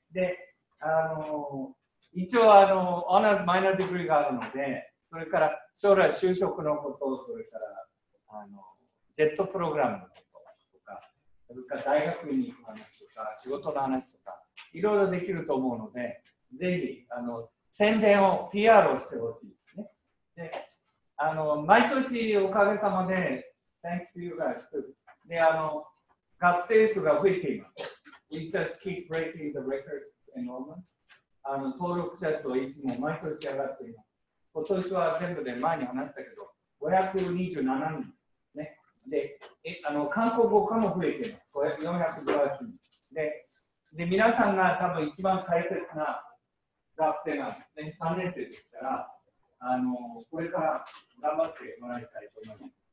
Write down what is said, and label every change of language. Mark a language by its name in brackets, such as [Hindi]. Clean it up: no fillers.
[Japanese] で、あの、一応、あの、オーナーズマイナーディグリーがあるので、それから、将来就職のこと、それから、あの、ジェットプログラムのこととか、それから大学院に行く話とか、仕事の話とか、いろいろできると思うので、ぜひ、あの、宣伝を、PR をしてほしいですね。で、あの、毎年おかげさまで、 [English] Thanks to you guys. [Japanese] で、あの、学生数が増えています。 [English] We just keep breaking the record enrollment. [Japanese] あの、登録者数はいつも毎年上がっています。今年は全部で前に話したけど、527人。ね。で、あの、韓国語化も増えています。418人。で、皆さんが多分一番大切な学生が、ね、3年生ですから、あの、これから頑張ってもらいたいと思います。